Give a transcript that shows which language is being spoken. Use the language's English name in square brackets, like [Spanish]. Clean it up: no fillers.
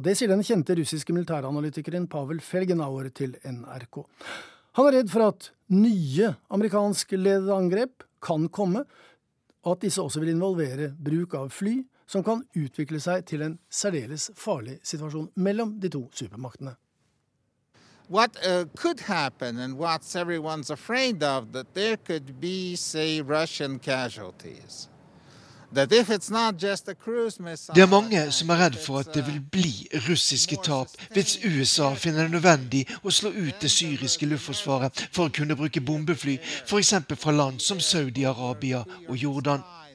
[Norwegian] Det sier den kjente russiske militæranalytikeren Pavel Felgenauer til NRK. Han er redd for at nye amerikanskledede angrep kan komme, og at disse også vil involvere bruk av fly som kan utvikle seg til en særdeles farlig situasjon mellom de to supermaktene. [English] What could happen and what everyone's afraid of, that there could be, say, Russian casualties. That if it's not just a cruise missile. [Norwegian] Det er mange som er redde for at det vil bli russiske tap hvis USA finner det nødvendig å slå ut det syriske luftforsvaret for å kunne bruke bombefly, for eksempel fra land som Saudi-Arabia og Jordan.